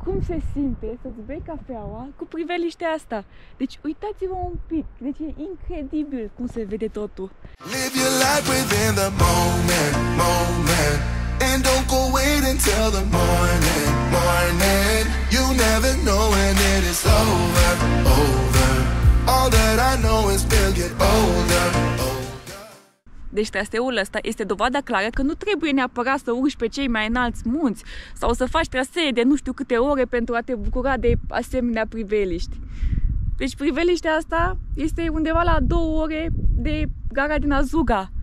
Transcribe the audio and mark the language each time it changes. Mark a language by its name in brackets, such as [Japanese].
[Romanian] Se simte să-ți bei cafeaua cu priveliștea asta. Deci uitați-vă un pic, deci e incredibil cum se vede totul. [English] Live your life within the moment, moment. And don't go wait until the morning, morning. You never know when it is over, over. All that I know is we'll get older. [Romanian] Deci traseul ăsta este dovada clară că nu trebuie neapărat să urci pe cei mai înalți munți sau să faci trasee de nu știu câte ore pentru a te bucura de asemenea priveliști. Deci priveliștea asta este undeva la 2 ore de gara din Azuga.